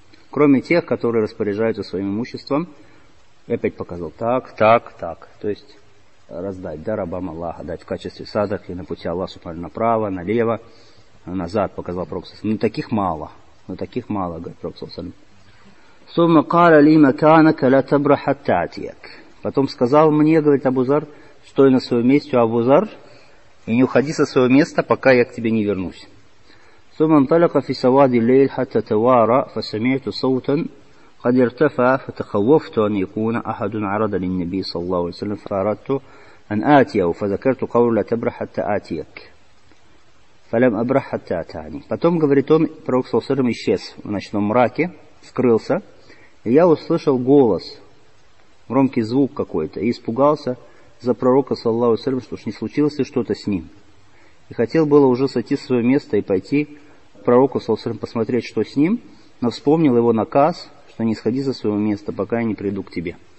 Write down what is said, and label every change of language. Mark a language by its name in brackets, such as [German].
[Russian] «Кроме тех, которые распоряжаются своим имуществом», и опять показал, так, так, так, то есть раздать, да, рабам Аллаха, дать в качестве садок и на пути Аллаха Субхану направо, налево, назад, показал Проксус. «Ну, таких мало, ну, таких мало», говорит Проксус. [Arabic] «Сумма кара ли маканака ля табраха татьяк». [Russian] Потом сказал мне, говорит Абу Зар: «Стой на своем месте, Абу Зар, и не уходи со своего места, пока я к тебе не вернусь». [Arabic] ثم انطلق في سواد الليل حتى توارى فسمعت صوتا قد ارتفع فتخوفت أن يكون أحد عرض للنبي صلى الله عليه وسلم فأردت أن آتيه فذكرت قول لا تبرح حتى آتيك فلم أبرح حتى أتاني. [Russian] Потом, говорит он, пророк саллаллаху алейхи ва саллям исчез в ночном мраке, скрылся, и я услышал голос, громкий звук какой-то, и испугался за пророка саллаллаху алейхи ва саллям, что уж не случилось ли что-то с ним. И хотел было уже сойти со своего места и пойти к пророку саллаллаху алейхи ва саллям посмотреть, что с ним, но вспомнил его наказ, что не сходи со своего места, пока я не приду к тебе.